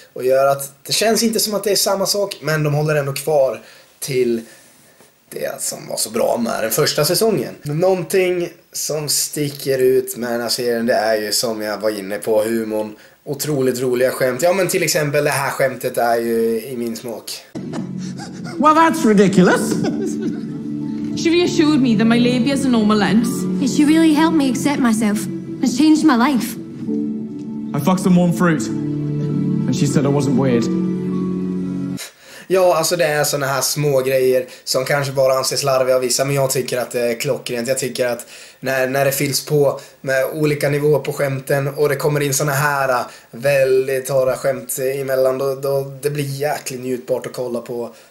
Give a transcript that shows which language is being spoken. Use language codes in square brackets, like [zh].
[sv] Och gör att det känns inte som att det är samma sak. Men de håller ändå kvar till det som var så bra med den första säsongen. Men någonting som sticker ut med den här serien, det är ju som jag var inne på, humorn. Otroligt roliga skämt. Ja, men till exempel det här skämtet är ju i min smak. [en] Well, that's ridiculous. She reassured me that my labia is a normal length. Yeah, she really helped me accept myself. It's changed my life. I fucked some warm fruit. And she said I wasn't weird. [sv] Ja, alltså det är såna här små grejer som kanske bara anses larviga av vissa, men jag tycker att det är klockrent. Jag tycker att när det fylls på med olika nivåer på skämten och det kommer in såna här väldigt torra skämt emellan, då det blir jäkligt njutbart att kolla på.